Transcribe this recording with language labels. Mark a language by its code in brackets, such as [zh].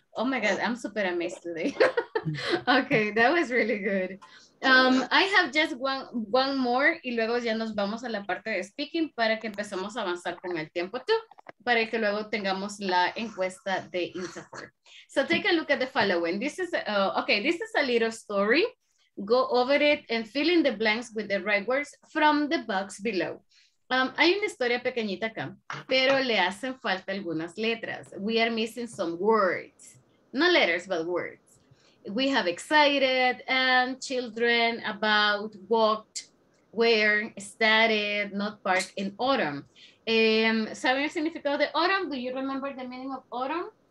[en] Oh my God, I'm super amazed today. Okay, that was really good. I have just one more [es] y luego ya nos vamos a la parte de speaking para que empecemos a avanzar con el tiempo too, para que luego tengamos la encuesta de Instagram. [en] So take a look at the following. This is, okay, this is a little story. Go over it and fill in the blanks with the right words from the box below. [es] Hay una historia pequeñita acá, pero le hacen falta algunas letras. [en] We are missing some words. Not letters, but words. We have excited and children about walked, where, started, not parked in autumn. [es] ¿Saben el significado de autumn? [en] Do you remember the meaning of autumn?